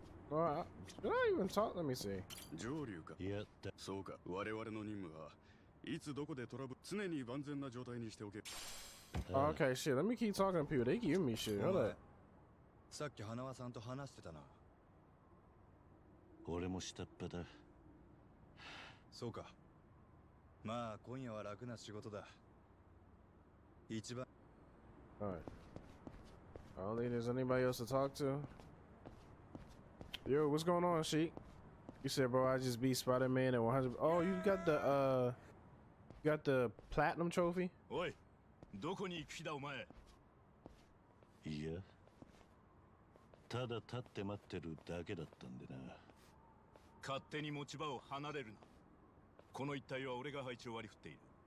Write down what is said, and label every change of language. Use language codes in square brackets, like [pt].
[en] Okay, shit, let me keep talking to people. They give me shit. Hold up. [ja] さっき花輪さんと話してたな。俺も下っ端だ。そうか。まあ今夜は楽な仕事だ。一番。 [en] Alright. I don't think there's anybody else to talk to. Yo, what's going on, Sheik? You said, bro, I just beat Spider-Man at 100. Oh, you got the platinum trophy? [ja] Oi, どこに行く気だお前。いや。ただ立って待ってるだけだったんでな。勝手に持ち場を離れるな。この一帯は俺が配置を割り振っている。